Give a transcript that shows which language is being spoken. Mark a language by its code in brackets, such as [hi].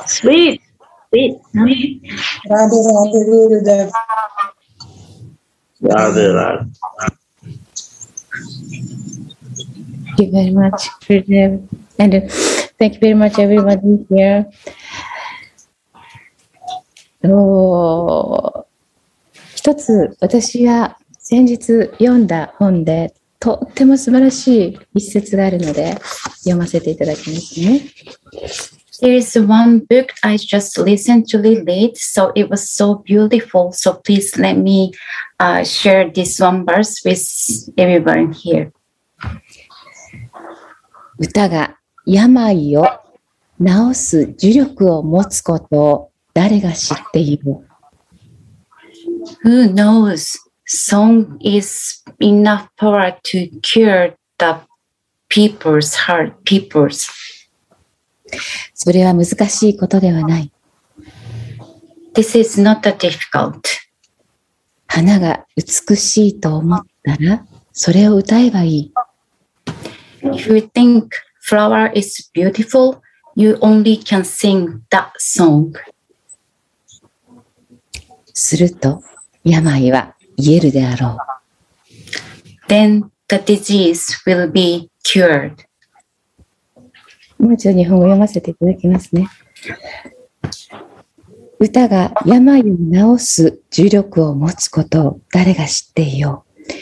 [en] Sweet. Sweet. Radhe, Radhe, Radhe. Radhe, Radhe. Thank you very much, Pradev, and thank you very much, everybody here. [ja] Oh, 一つ私が先日読んだ本でとっても素晴らしい一節があるので読ませていただきますね。 [en] There is one book I just listened to late, so it was so beautiful. So please let me share this one verse with everyone here. [ja] 歌が病を治す呪力を持つことを誰が知っている [en] ?Who knows? Song is enough power to cure the people's heart, people's. [ja] それは難しいことではない。 [en] This is not that difficult. [ja] 花が美しいと思ったら、それを歌えばいい。 [en] If you think flower is beautiful, you only can sing that song. [ja] すると病は癒えるであろう。 [en] Then the disease will be cured. [ja] もう一度日本語読ませていただきますね。歌が病を治す呪力を持つことを誰が知っていよう。